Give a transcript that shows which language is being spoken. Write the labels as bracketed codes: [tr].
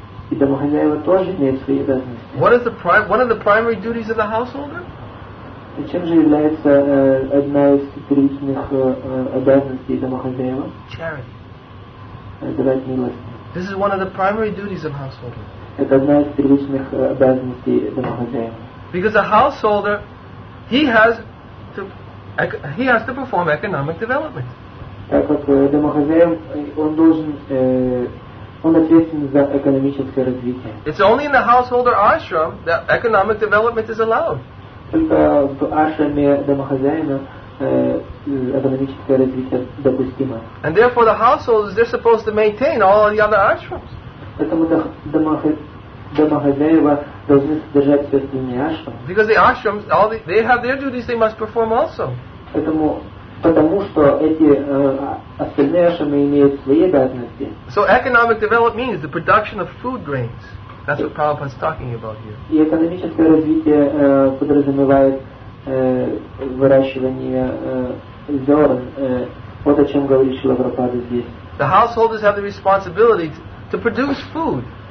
[ru] И домохозяева тоже имеют свои обязанности. [en] What are the primary duties of the householder? [ru] И чем же является одна из первичных обязанностей домохозяева? [en] Charity. [ru] Давать милость. [en] This is one of the primary duties of householder. [ru] Это одна из первичных обязанностей домохозяева. [en] Because a householder, he has to perform economic development. [ru] Так как домохозяин, он должен, он ответственен за экономическое развитие. [en] It's only in the householder ashram that economic development is allowed. [ru] Только в ашраме домохозяина экономическое развитие допустимо. [en] And therefore the householders, they're supposed to maintain all the other ashrams. [ru] Поэтому домохозяева должны содержать все остальные ашрамы. [en] Because the ashrams, they have their duties they must perform also. [ru] Потому что эти остальные ашрамы имеют свои обязанности. [en] So economic development means the production of food grains. That's what Prabhupada's talking about here. [ru] И экономическое развитие подразумевает выращивание зерен. Вот о чем говорит Шрила Прабхупада здесь. [en] The householders have the responsibility to produce food.